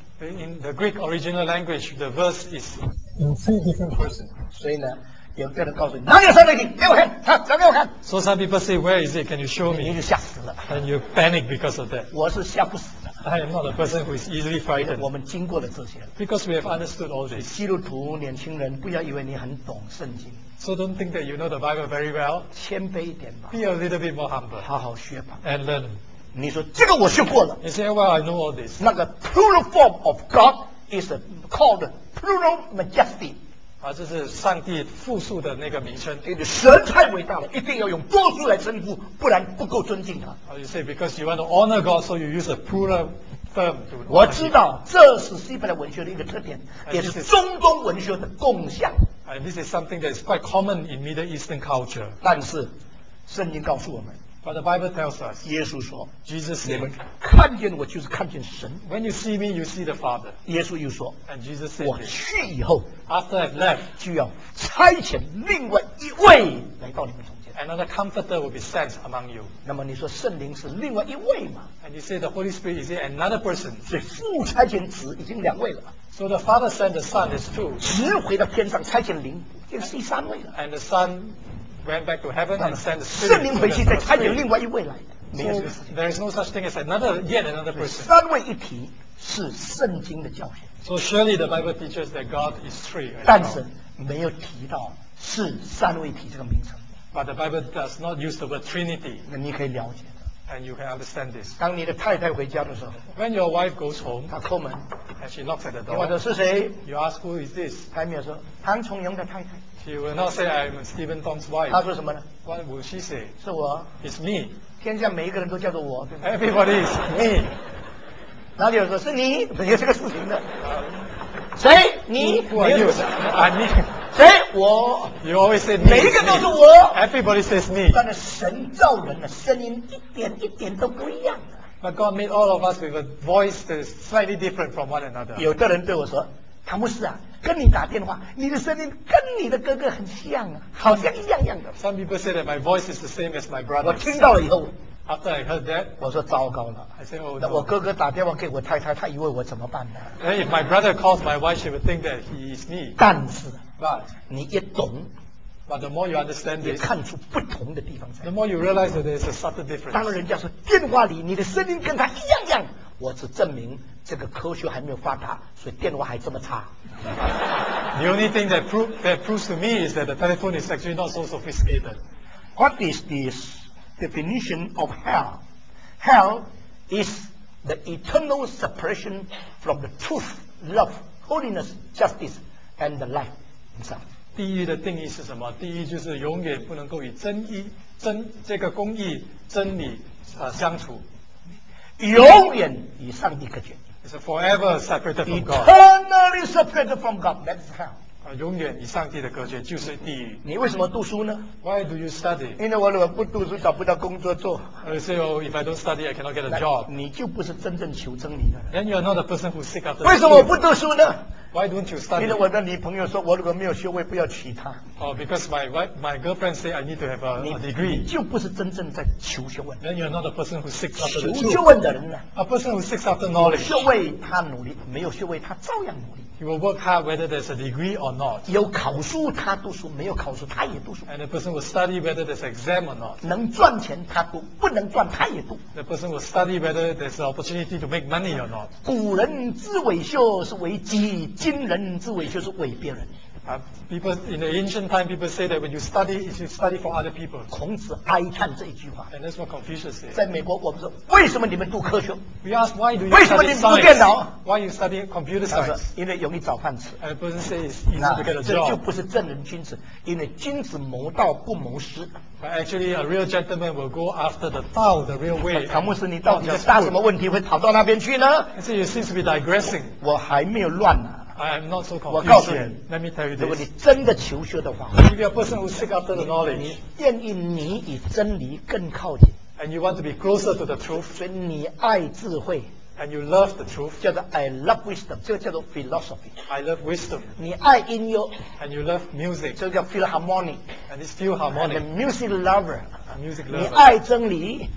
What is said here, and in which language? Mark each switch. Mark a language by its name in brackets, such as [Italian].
[English] In the Greek original language, the verse is in three different persons. [Chinese] 所以呢，有个人告诉你哪里有三位一体？给我看，好，讲给我看。 [English] So some people say, where is it? Can you show me? [Chinese] 你就吓死了。 [English] And you panic because of that. [Chinese] 我是吓不死的。 [English] I am not a person who is easily frightened. [Chinese] 我们经过了这些。 [English] Because we have understood all this. [Chinese] 基督徒年轻人，不要以为你很懂圣经。 [English] So don't think that you know the Bible very well. [Chinese] 谦卑一点吧。 [English] Be a little bit more humble. [Chinese] 好好学吧。 [English] And learn. [Chinese] 你说这个我学过了。 [English] You say, well, I know all this. [Chinese] 那个 [English] plural form of God is called plural majesty. [Chinese] 啊，这是上帝复数的那个名称。你神太伟大了，一定要用多数来称呼，不然不够尊敬他。 [English] You say because you want to honor God, so you use a plural form. [Chinese] 我知道这是希伯来文学的一个特点，也是中东文学的共享。 [English] And this is something that is quite common in Middle Eastern culture. [Chinese] 但是圣经告诉我们。 [English] But the Bible tells us, [Chinese] 耶稣说 [English] Jesus said, [Chinese] 你们看见我就是看见神 [English] When you see me, you see the Father. [Chinese] 耶稣又说 [English] And Jesus said, [Chinese] 我去以后 [English] After I've left, [Chinese] 就要差遣另外一位来到你们中间 [English] Another comforter will be sent among you. [Chinese] 那么你说圣灵是另外一位吗 [English] And you say the Holy Spirit is another person. [Chinese] 所以父差遣子已经两位了 [English] So the Father sent the Son is two. [Chinese] 直回到天上差遣灵就是第三位了 [English] And the SonWent back to heaven and sent the Spirit. [Chinese] 圣灵回去再差遣另外一位来。 [English] So there is no such thing as another yet another person. [Chinese] 三位一体是圣经的教训。 [English] So surely the Bible teaches that God is three. [Chinese] 但是没有提到是三位一体这个名称。 [English] But the Bible does not use the word Trinity. [Chinese] 那你可以了解。 [English] And you can understand this. [Chinese] 当你的太太回家的时候 [English] ，When your wife goes home, [Chinese] 她叩门 [English] ，and she knocks at the door. [Chinese] 你问她是谁 [English] ？You ask who is this? [Chinese] 她没有说唐崇荣的太太。 [English] She will not say I'm Stephen Tong's wife. [Chinese] 她说什么呢 [English] ？What will she say? [Chinese] 是我。 [English] It's me. [Chinese] 天下每一个人都叫做我。 [English] Everybody is me. [Chinese] 哪里有说是你？没有这个事情的。谁？你？我有啊，你。谁？我。 [English] You always say me. [Chinese] 每一个都是我。 [English] Everybody says me. [Chinese] 但是神造人的声音一点一点都不一样的。 [English] But God made all of us with a voice that is slightly different from one another. [Chinese] 有的人对我说：“唐牧师啊，跟你打电话，你的声音跟你的哥哥很像啊，好像一样样的。” [English] Some people say that my voice is the same as my brother. [Chinese] 我听到了以后。 [English] After I heard that, [Chinese] 我说糟糕了。 [English] I said, oh, [Chinese] 那我哥哥打电话给我太太，他以为我怎么办呢 [English] ？Then if my brother calls my wife, she would think that he is me. [Chinese] 但是 [English] ，But [Chinese] 你一懂 [English] ，But the more you understand this, [Chinese] 也看出不同的地方在。 [English] The more you realize that there is a subtle difference. [Chinese] 当人家说电话里你的声音跟他一样样，我只证明这个科学还没有发达，所以电话还这么差。 [English] The only thing that proves to me is that the telephone is actually not so sophisticated. What is this? Definition of hell. Hell is the eternal separation from the truth, love, holiness, justice, and the life itself. [Chinese] 地狱的定义是什么？地狱就是永远不能够与真义、真这个公义、真理啊相处，永远与上帝隔绝。 [English] It's forever separated from God. Eternally separated from God. That's hell. [Chinese] 永远与上帝的隔绝就是地狱。你为什么读书呢 [English] ？Why do you study？ [Chinese] 因为我不读书找不到工作做。 [English] So if I don't study, I cannot get a job。 [Chinese] 你就不是真正求真理的。 [English] Then you are not the person who seek after。 [Chinese] 为什么我不读书呢 [English] ？Why don't you study？ [Chinese] 因为我的女朋友说，我如果没有学位，不要娶她。 [English] Oh, because my girlfriend say I need to have a degree。 [Chinese] 你就不是真正在求学问。 [English] Then you are not the person who seeks after the truth。 [Chinese] 求学问的人呢 [English] ？A person who seeks after knowledge。 [Chinese] 学位他努力，没有学位他照样努力。 [English] He will work hard whether there's a degree or not. [Chinese] 有考书他读书，没有考书他也读书。 [English] And the person will study whether there's exam or not. [Chinese] 能赚钱他读，不能赚他也读。 [English] The person will study whether there's an opportunity to make money or not. [Chinese] 古人之伟秀是为己，今人之伟秀是为别人。 [English] People in the ancient time, people say that when you study, you study for other people. [Chinese] 孔子哀叹这一句话。 [English] And that's what Confucius said. [Chinese] 在美国，我们说为什么你们读科学 [English] ？We ask why do you [Chinese] 为什么你们读电脑 [English] ？Why you study computer science？ [Chinese] 因为容易找饭吃。 [English] And people say it's easy to get a job. [Chinese] 这就不是正人君子，因为君子谋道不谋私。 [English] But actually, a real gentleman will go after the Tao, the real way. [Chinese] 唐牧师，你到底是大什么问题会跑到那边去呢 [English] ？So you seem to be digressing. [Chinese] 我还没有乱呢。 [English] I am not so confused. [Chinese] 我告诉你 [English] ，Let me tell you this. [Chinese] 如果你真的求学的话 [English] ，If you're a person who seek after the knowledge, [Chinese] 你愿意你与真理更靠近 [English] ，And you want to be closer to the truth. [Chinese] 所以你爱智慧 [English] ，And you love the truth. [Chinese] 叫做 [English] I love wisdom. [Chinese] 这个叫做 philosophy. [English] I love wisdom. [Chinese] 你爱音乐 [English] ，And you love music. [Chinese] 这个叫 philharmony. [English] And it's philharmony. I'm a music lover. A music lover. [Chinese] 你爱真理